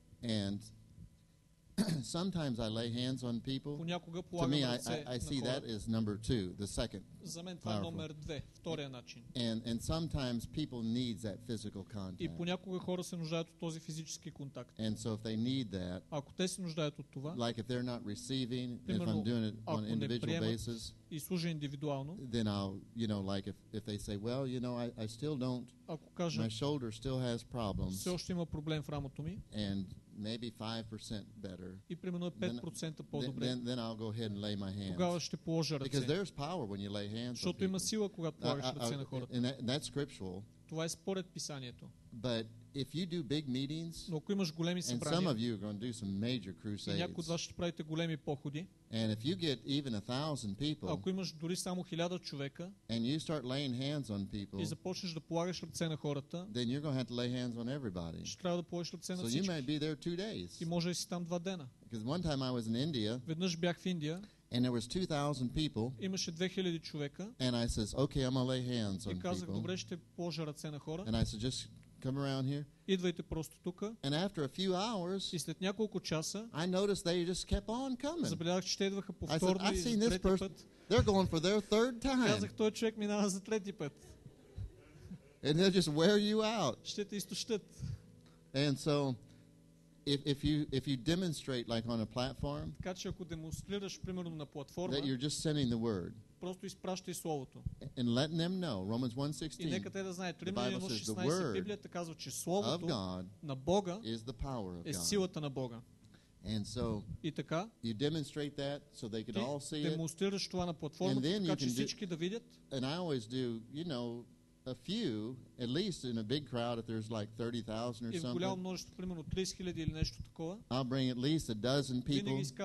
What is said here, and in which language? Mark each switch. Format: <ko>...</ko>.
<en>And sometimes I lay hands on people.</en> <bg>Понякога полагам ръце на хората.</bg> <en>I see that is number two, the second.</en> <bg>За мен това е номер две, втория начин.</bg> <en>And sometimes people need that physical contact.</en> <bg>И понякога хора се нуждаят от този физически контакт.</bg> <en>And so if they need that,</en> <bg>ако те се нуждаят от това,</bg> <en>like if they're not receiving, if I'm doing it on individual basis,</en> <bg>и служа индивидуално,</bg> <en>then I'll, you know, like if they say, well, you know, I still don't,</en> <bg>ако кажа,</bg> <en>my shoulder still has problems,</en> <bg>все още има проблем в рамото ми,</bg> <en>and maybe 5% better.</en> <bg>И примерно 5% по-добре.</bg> <en>Then I'll go ahead and lay my hands.</en> <bg>Тогава ще положа ръце.</bg> <en>Because there's power when you lay hands.</en> <bg>Защото има сила, когато полагаш ръце на хората.</bg> <en>And that's scriptural.</en> <bg>Това е според писанието.</bg> <en>But if you do big meetings,</en> <bg>но ако имаш големи събрания,</bg> <en>and some of you are going to do some major crusades,</en> <bg>и някои от вас ще правите големи походи,</bg> <en>and if you get even 1,000 people,</en> <bg>ако имаш дори само 1,000 човека,</bg> <en>and you start laying hands on people,</en> <bg>и започнеш да полагаш ръце на хората,</bg> <en>then you're going to have to lay hands on everybody.</en> <bg>Ще трябва да полагаш ръце на всички.</bg> <en>So you may be there 2 days.</en> <bg>И може да си там 2 дена.</bg> <en>Because one time I was in India,</en> <bg>веднъж бях в Индия,</bg> <en>and there was 2,000 people,</en> <bg>имаше 2,000 човека,</bg> <en>and I says, okay, I'm going to lay hands on people,</en> <bg>и казах, добре, ще положа ръце на хора,</bg> <en>and I said, just come around here.</en> <bg>Идвайте просто тука.</bg> <en>And after a few hours,</en> <bg>и след няколко часа,</bg> <en>I noticed they just kept on coming.</en> <bg>Забелязах, че те идваха повторно.</bg> <en>I said, I've seen this person. They're going for their third time.</en> <bg>Казах, този човек минава за трети път.</bg> <en>And they'll just wear you out.</en> <bg>Ще те изтощат.</bg> <en>And so if you demonstrate like on a platform,</en> <bg>така че ако демонстрираш примерно на платформа,</bg> <en>that you're just sending the word.</en> <bg>Просто изпращай словото.</bg> <en>And let them know, Romans 1:16.</en> <bg>И нека те да знаят, Римляни 1:16, Библията казва, че словото на Бога е силата на Бога.</bg> <en>And so,</en> <bg>и така,</bg> <en>you demonstrate that so they could all see it.</en> <bg>Демонстрираш това на платформата, така че всички да видят.</bg> <en>And I always do, you know, a few, at least in a big crowd, if there's like 30,000 or something,</en> <bg>голямо множество, примерно 30,000 или нещо такова,</bg> <en>I'll bring at least a dozen people</en>